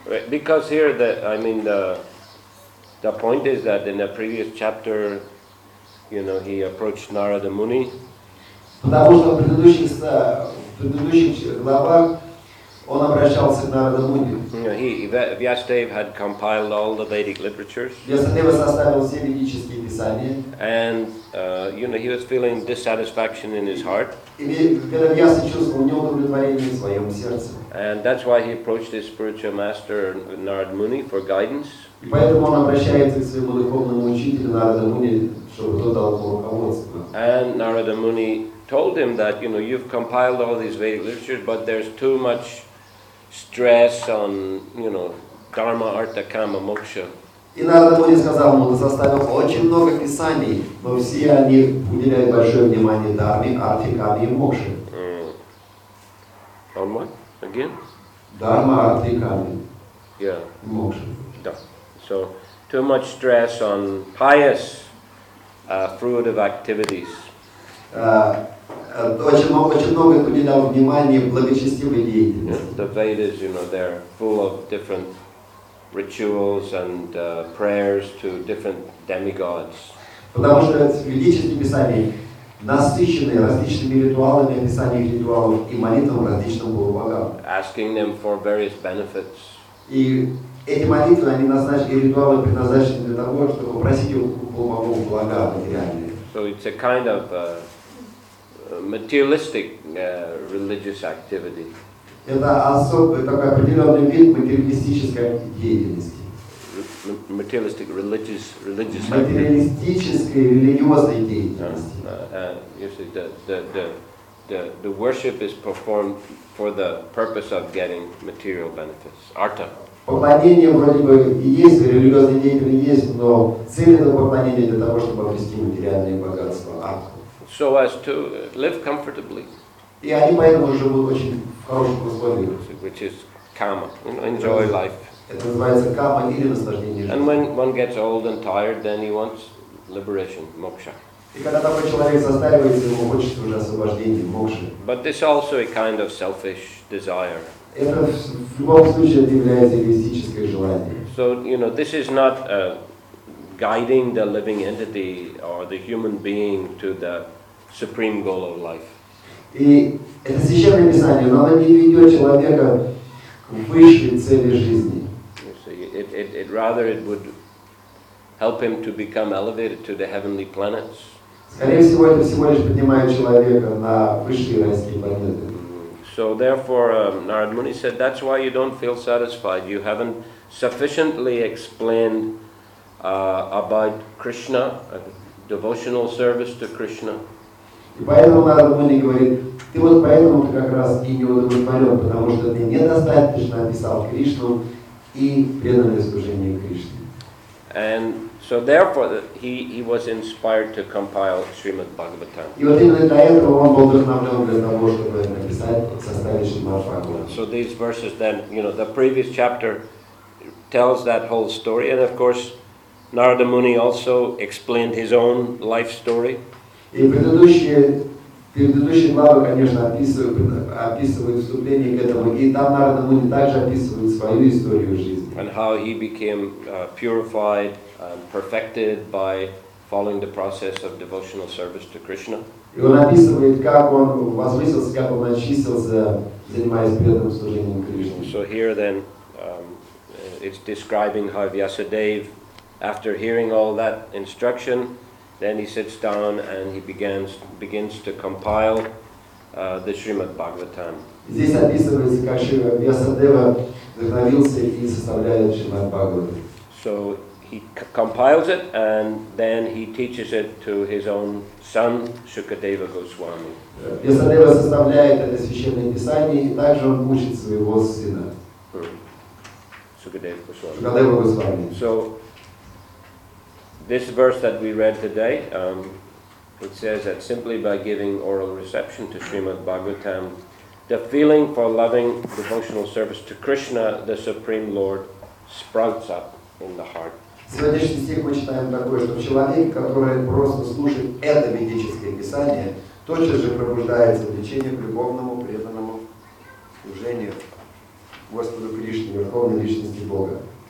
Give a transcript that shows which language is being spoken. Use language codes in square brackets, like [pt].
[en] Because here, the point is that in the previous chapter, you know, he approached Narada Muni. [ru] Потому что в предыдущих главах он обращался к Нарада Муни. [en] Вьясадева had compiled all the Vedic literatures. [ru] Вьясадева составил все ведические писания. [en] And you know, he was feeling dissatisfaction in his heart. [ru] И когда Вьяса чувствовал неудовлетворение в своем сердце. [en] And that's why he approached his spiritual master Narada Muni for guidance. [ru] И поэтому он обращается к своему духовному учителю Нарада Муни, чтобы тот дал ему руководство. [en] And Narada Muni told him that, you know, you've compiled all these Vedic literatures, but there's too much stress on, you know, dharma, artha, kama, moksha. [ru] И Нарада Муни сказал ему, ты составил очень много писаний, но все они уделяют большое внимание дарме, артхе, каме и мокше. [en] On what? Again? Dharma, artha, kama. Yeah. Moksha. Yeah. So, too much stress on pious fruitive activities. [ru] Очень много уделял внимания благочестивой деятельности. [en] Yeah, the Vedas, you know, they're full of different rituals and prayers to different demigods. [ru] Потому что ведические писания насыщены различными ритуалами, описанием ритуалов и молитвами различным богам. [en] Asking them for various benefits. [ru] И эти молитвы, они назначены, и ритуалы предназначены для того, чтобы просить у богов блага материальные. [en] So it's a kind of materialistic religious activity. [ru] Это особый такой определенный вид материалистической деятельности. [en] Materialistic religious [ru] материалистической религиозной деятельности. [en] You see, the worship is performed for the purpose of getting material benefits. Artha. [ru] Поклонение вроде бы есть, религиозные деятельности есть, но цель этого поклонения для того, чтобы обрести материальные богатства. [en] So as to live comfortably. [ru] И они поэтому живут очень в хороших условиях. [en] Which is kama, you know, enjoy life. [ru] Это называется кама или наслаждение жизнью. [en] And when one gets old and tired, then he wants liberation, moksha. [ru] И когда такой человек застаивается, ему хочется уже освобождения, мокши. [en] But this also a kind of selfish desire. [ru] Это в любом случае является эгоистическим желанием. [en] So, you know, this is not guiding the living entity or the human being to the supreme goal of life. [ru] И это священное писание, но оно не ведет человека к высшей цели жизни. [en] It rather it would help him to become elevated to the heavenly planets. [ru] Скорее всего, это всего лишь поднимает человека на высшие райские планеты. [en] So therefore, Narad Muni said, that's why you don't feel satisfied. You haven't sufficiently explained about Krishna, devotional service to Krishna. [ru] И поэтому Нарад Муни говорит, ты вот поэтому ты как раз и не удовлетворен, потому что ты недостаточно описал Кришну и преданное служение Кришне. [en] And so therefore, he was inspired to compile Srimad Bhagavatam. [ru] И вот именно для этого он был вдохновлен для того, чтобы написать, составить Srimad Bhagavatam. [en] So these verses then, you know, the previous chapter tells that whole story, and of course, Narada Muni also explained his own life story. [ru] И предыдущие главы, конечно, описывают вступление к этому, и там Нарада Муни также описывает свою историю жизни. [en] And how he became purified and perfected by following the process of devotional service to Krishna. [ru] И он описывает, как он возвысился, как он очистился, занимаясь преданным служением Кришне. [en] So here then, it's describing how Vyasadeva, after hearing all that instruction, then he sits down and he begins to compile the Srimad Bhagavatam. [ru] Здесь описывается, как Вьясадева вдохновился и составляет Шримад Бхагаватам. [en] So he compiles it and then he teaches it to his own son Shukadeva Goswami. [ru] Вьясадева составляет это священное писание и также он учит своего сына. [en] Shukadeva Goswami. Shukadeva Goswami. So this verse that we read today, it says that simply by giving oral reception to Srimad Bhagavatam, the feeling for loving devotional service to Krishna, the Supreme Lord, sprouts up in the heart. [ru] Сегодняшний стих мы читаем такой, что человек, который просто слушает это ведическое писание, тотчас же пробуждается влечение к любовному преданному служению Господу Кришне, Верховной Личности Бога.